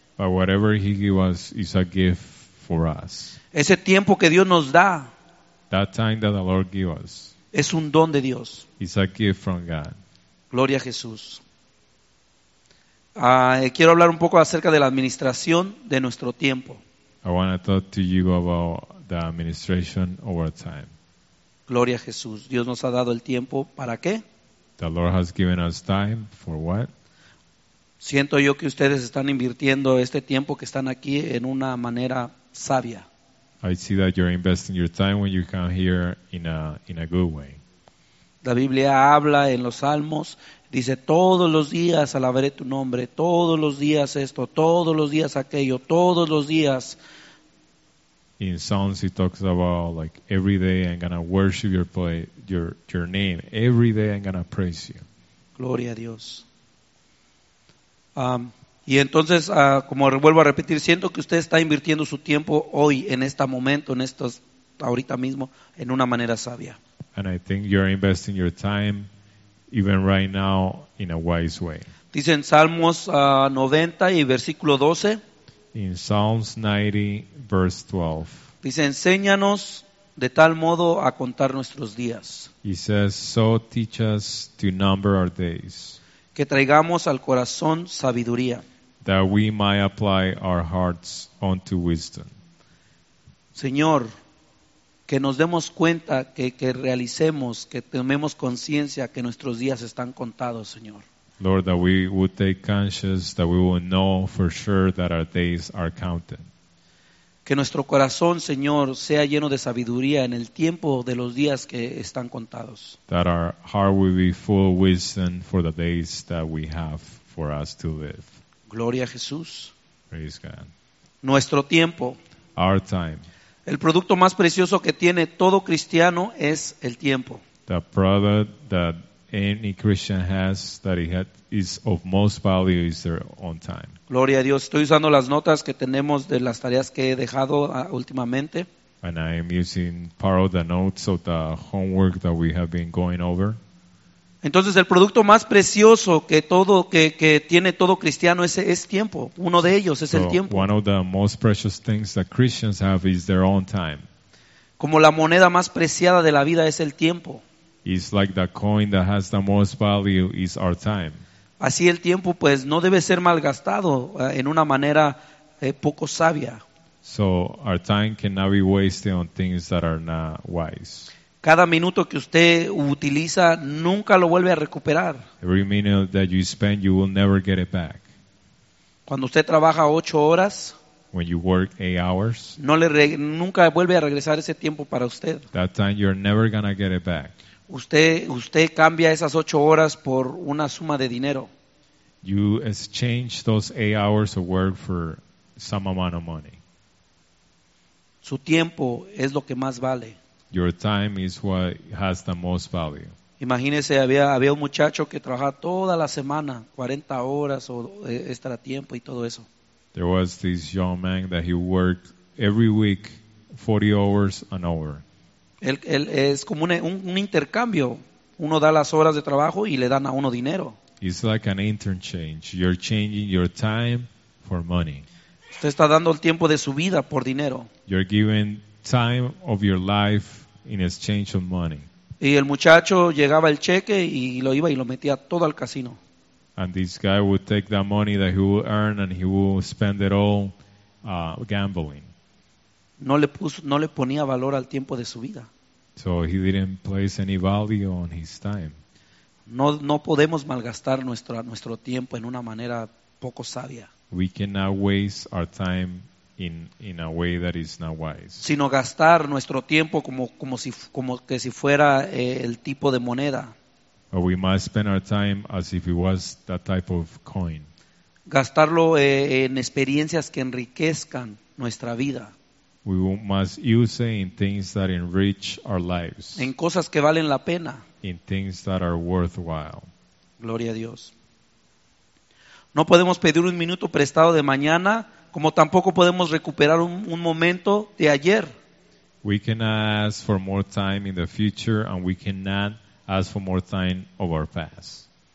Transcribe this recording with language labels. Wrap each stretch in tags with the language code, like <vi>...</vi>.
<en>But whatever he gives us is a gift for us.</en> <es>Ese tiempo que Dios nos da,</es> <en>that time that the Lord gives us,</en> <es>es un don de Dios.</es> <en>It's a gift from God.</en> <es>Gloria a Jesús. Quiero hablar un poco acerca de la administración de nuestro tiempo.</es> <en>I want to talk to you about the administration of our time.</en> <es>Gloria a Jesús. Dios nos ha dado el tiempo, ¿para qué?</es> <en>The Lord has given us time for what?</en> <es>Siento yo que ustedes están invirtiendo este tiempo que están aquí en una manera sabia.</es> <en>I see that you're investing your time when you come here in a good way.</en> <es>La Biblia habla en los Salmos, dice, todos los días alabaré tu nombre, todos los días esto, todos los días aquello, todos los días.</es> <en>In Psalms he talks about like every day I'm gonna worship your name, every day I'm gonna praise you.</en> <es>Gloria a Dios. Y entonces, como vuelvo a repetir, siento que usted está invirtiendo su tiempo hoy, en este momento, ahorita mismo, en una manera sabia.</es> <en>And I think you're investing your time, even right now, in a wise way.</en> <es>Dice en Salmos 90 y versículo 12.</es> <en>In Psalms 90, verse 12.</en> <es>Dice, enséñanos de tal modo a contar nuestros días.</es> <en>He says, so teach us to number our days.</en> <es>Que traigamos al corazón sabiduría.</es> <en>That we might apply our hearts unto wisdom.</en> <es>Señor, que nos demos cuenta, que realicemos, que tomemos conciencia que nuestros días están contados, Señor.</es> <en>Lord, that we would take conscience, that we would know for sure that our days are counted.</en> <es>Que nuestro corazón, Señor, sea lleno de sabiduría en el tiempo de los días que están contados.</es> <en>That our heart will be full of wisdom for the days that we have for us to live.</en> <es>Gloria a Jesús.</es> <en>Praise God.</en> <es>Nuestro tiempo.</es> <en>Our time.</en> <es>El producto más precioso que tiene todo cristiano es el tiempo.</es> <en>The product that any Christian has that he had is of most value is their own time.</en> <es>Gloria a Dios. Estoy usando las notas que tenemos de las tareas que he dejado últimamente.</es> <en>And I am using part of the notes of the homework that we have been going over.</en> <es>Entonces, el producto más precioso que tiene todo cristiano es tiempo. Uno de ellos es el tiempo.</es> <en>One of the most precious things that Christians have is their own time.</en> <es>Como la moneda más preciada de la vida es el tiempo.</es> <en>It's like the coin that has the most value is our time.</en> <es>Así el tiempo pues no debe ser malgastado en una manera poco sabia.</es> <en>So our time cannot be wasted on things that are not wise.</en> <es>Cada minuto que usted utiliza nunca lo vuelve a recuperar.</es> <en>Every minute that you spend you will never get it back.</en> <es>Cuando usted trabaja 8 horas,</es> <en>when you work 8 hours,</en> <es>nunca vuelve a regresar ese tiempo para usted.</es> <en>That time you're never gonna get it back.</en> <es>Usted cambia esas 8 horas por una suma de dinero.</es> <en>You exchange those 8 hours of work for some amount of money.</en> <es>Su tiempo es lo que más vale.</es> <en>Your time is what has the most value.</en> <es>Imagínese, había un muchacho que trabajaba toda la semana, 40 horas o extra tiempo y todo eso.</es> <en>There was this young man that he worked every week 40 hours an hour.</en> <es>Él es como un intercambio. Uno da las horas de trabajo y le dan a uno dinero.</es> <en>It's like an interchange. You're changing your time for money.</en> <es>Usted está dando el tiempo de su vida por dinero.</es> <en>You're giving time of your life in exchange of money.</en> <es>Y el muchacho llegaba el cheque y lo iba y lo metía todo al casino.</es> <en>And this guy would take that money that he would earn and he would spend it all gambling.</en> <es>No le ponía valor al tiempo de su vida.</es> <en>So he didn't place any value on his time.</en> <es>No podemos malgastar nuestro tiempo en una manera poco sabia.</es> <en>We cannot waste our time in a way that is not wise.</en> <es>Sino gastar nuestro tiempo como si fuera el tipo de moneda.</es> <en>But we must spend our time as if it was that type of coin.</en> <es>gastarlo en experiencias que enriquezcan nuestra vida.</es> <en>We must use it in things that enrich our lives.</en> <es>En cosas que valen la pena.</es> <en>In things that are worthwhile.</en> <es>Gloria a Dios. No podemos pedir un minuto prestado de mañana, como tampoco podemos recuperar un momento de ayer.</es> <en>We cannot ask for more time in the future, and we cannot ask for more time of our past.</en>